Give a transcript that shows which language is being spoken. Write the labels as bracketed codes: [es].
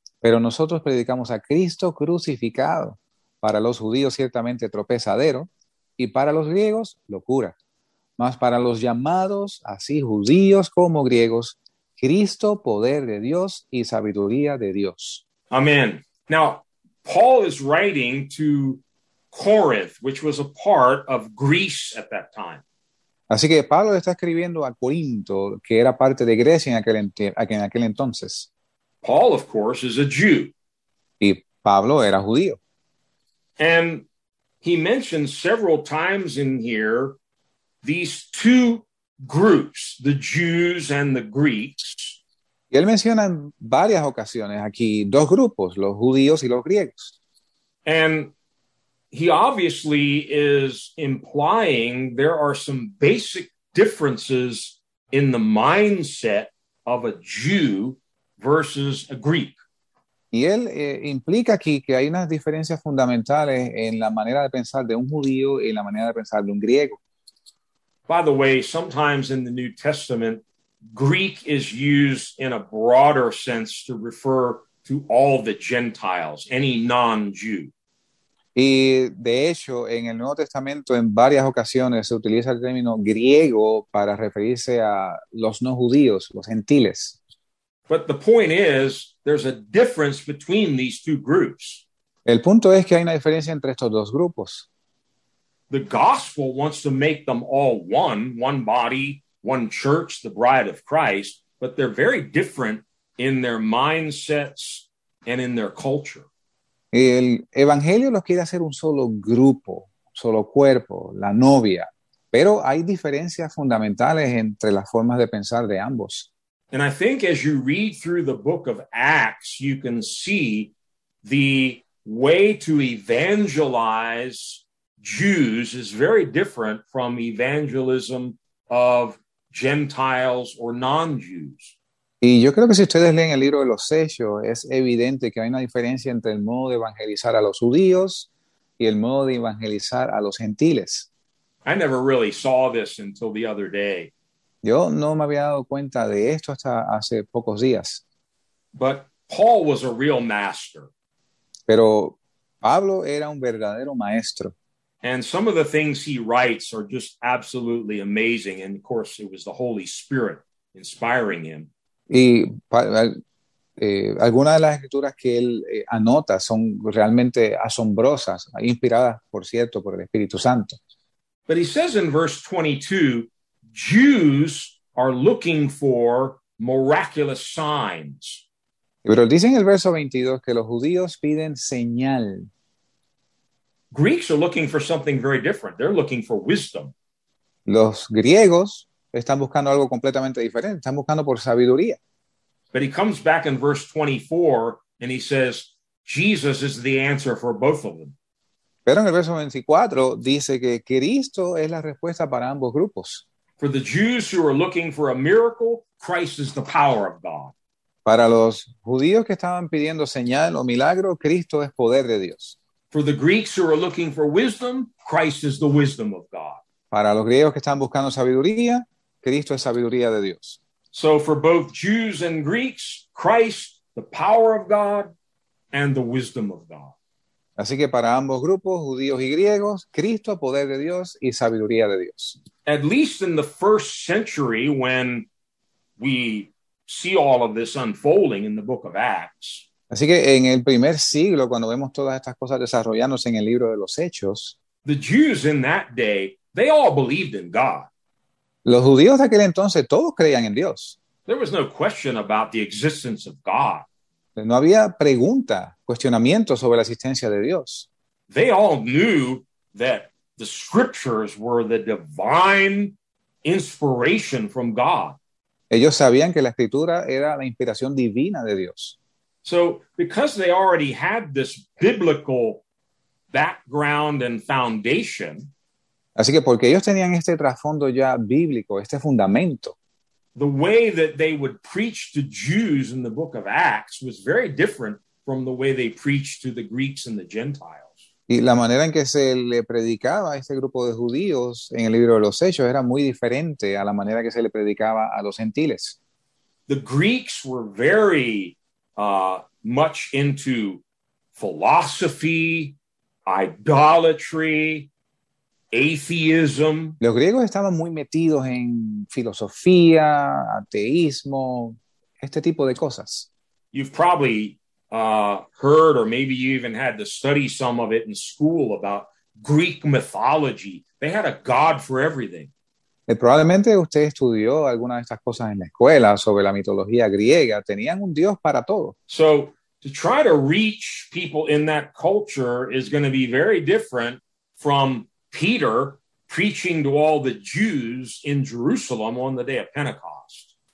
[es] Pero nosotros predicamos a Cristo crucificado. Para los judíos ciertamente tropezadero y para los griegos locura. Mas para los llamados, así judíos como griegos, Cristo poder de Dios y sabiduría de Dios. Amén. [en] Now, Paul is writing to Corinth, which was a part of Greece at that time. [es] Así que Pablo está escribiendo a Corinto, que era parte de Grecia en aquel entonces. [en] Paul, of course, is a Jew. [es] Y Pablo era judío. [en] And he mentions several times in here these two groups, the Jews and the Greeks. [es] Y él menciona en varias ocasiones aquí dos grupos, los judíos y los griegos. [en] And he obviously is implying there are some basic differences in the mindset of a Jew versus a Greek. [es] Y él implica aquí que hay unas diferencias fundamentales en la manera de pensar de un judío y en la manera de pensar de un griego. [en] By the way, sometimes in the New Testament, Greek is used in a broader sense to refer to all the Gentiles, any non-Jew. [es] Y de hecho, en el Nuevo Testamento, en varias ocasiones, se utiliza el término griego para referirse a los no judíos, los gentiles. [en] But the point is, there's a difference between these two groups. [es] El punto es que hay una diferencia entre estos dos grupos. [en] The gospel wants to make them all one, one body, one church, the bride of Christ, but they're very different in their mindsets and in their culture. [es] El evangelio los quiere hacer un solo grupo, solo cuerpo, la novia, pero hay diferencias fundamentales entre las formas de pensar de ambos. [en] And I think as you read through the book of Acts, you can see the way to evangelize Jews is very different from evangelism of Gentiles or non-Jews. [es] Y yo creo que si ustedes leen el libro de los Hechos, es evidente que hay una diferencia entre el modo de evangelizar a los judíos y el modo de evangelizar a los gentiles. [en] I never really saw this until the other day. [es] Yo no me había dado cuenta de esto hasta hace pocos días. [en] But Paul was a real master. [es] Pero Pablo era un verdadero maestro. [en] And some of the things he writes are just absolutely amazing. And of course, it was the Holy Spirit inspiring him. [es] Y algunas de las escrituras que él anota son realmente asombrosas, inspiradas, por cierto, por el Espíritu Santo. [en] But he says in verse 22, Jews are looking for miraculous signs. [es] Pero dice en el verso 22 que los judíos piden señal. [en] Greeks are looking for something very different. They're looking for wisdom. [es] Los griegos están buscando algo completamente diferente. Están buscando por sabiduría. [en] But he comes back in verse 24 and he says, Jesus is the answer for both of them. [es] Pero en el verso 24 dice que Cristo es la respuesta para ambos grupos. [en] For the Jews who are looking for a miracle, Christ is the power of God. [es] Para los judíos que estaban pidiendo señal o milagro, Cristo es poder de Dios. [en] For the Greeks who are looking for wisdom, Christ is the wisdom of God. [es] Para los griegos que están buscando sabiduría, Cristo es sabiduría de Dios. [en] So for both Jews and Greeks, Christ, the power of God, and the wisdom of God. [es] Así que para ambos grupos, judíos y griegos, Cristo, poder de Dios y sabiduría de Dios. [en] At least in the first century, when we see all of this unfolding in the book of Acts. [es] Así que en el primer siglo, cuando vemos todas estas cosas desarrollándose en el libro de los Hechos, [en] the Jews in that day, they all believed in God. [es] Los judíos de aquel entonces, todos creían en Dios. [en] There was no question about the existence of God. [es] No había pregunta, cuestionamiento sobre la existencia de Dios. [en] They all knew that the scriptures were the divine inspiration from God. [es] Ellos sabían que la escritura era la inspiración divina de Dios. [en] So, because they already had this biblical background and foundation, [es] así que porque ellos tenían este trasfondo ya bíblico, este fundamento. [en] The way that they would preach to Jews in the book of Acts was very different from the way they preached to the Greeks and the Gentiles. [es] Y la manera en que se le predicaba a este grupo de judíos en el libro de los Hechos era muy diferente a la manera que se le predicaba a los gentiles. [en] The Greeks were very much into philosophy, idolatry, atheism. [es] Los griegos estaban muy metidos en filosofía, ateísmo, este tipo de cosas. [en] You've probably heard or maybe you even had to study some of it in school about Greek mythology. They had a god for everything. [es] Probablemente usted estudió alguna de estas cosas en la escuela sobre la mitología griega. Tenían un dios para todo. [en] So to try to reach people in that culture is going to be very different from Peter preaching to all the Jews in Jerusalem on the day of Pentecost.